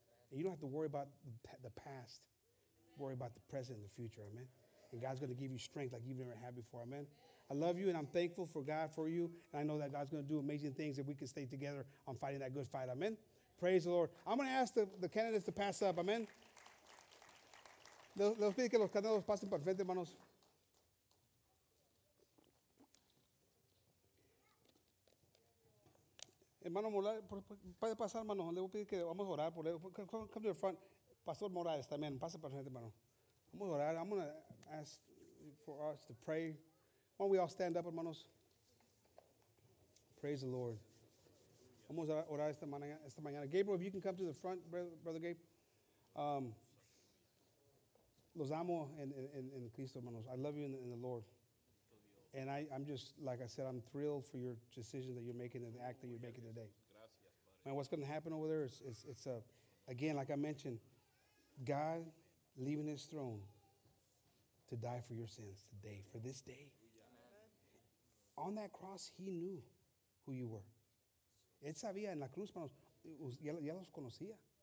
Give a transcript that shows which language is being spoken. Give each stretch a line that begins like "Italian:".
English: And you don't have to worry about the past. Worry about the present and the future, amen? And God's going to give you strength like you've never had before, amen? I love you, and I'm thankful for God for you. And I know that God's going to do amazing things if we can stay together on fighting that good fight. Amen. Praise the Lord. I'm going to ask the candidates to pass up. Amen.
Spanish: Los pide que los candidatos pasen por frente, hermanos. Hermano Morales, puede pasar, hermano. Le voy a pedir que vamos a orar por él.
English: Come to the front. Pastor Morales
Spanish: también. Pase por frente, hermano. Vamos a orar.
English: I'm going to ask for us to pray. Why don't we all stand up, hermanos? Praise the Lord.
Spanish: Vamos a orar esta mañana.
English: Gabriel, if you can come to the front, Brother Gabe.
Spanish: Los amo en Cristo, hermanos.
English: I love you in the Lord. And I'm just, like I said, I'm thrilled for your decision that you're making and the act that you're making today. Man, what's going to happen over there is, again, like I mentioned, God leaving his throne to die for your sins today, for this day. On that cross, he knew who you were.
Spanish: Él sabía en la cruz, hermanos, ya los conocía.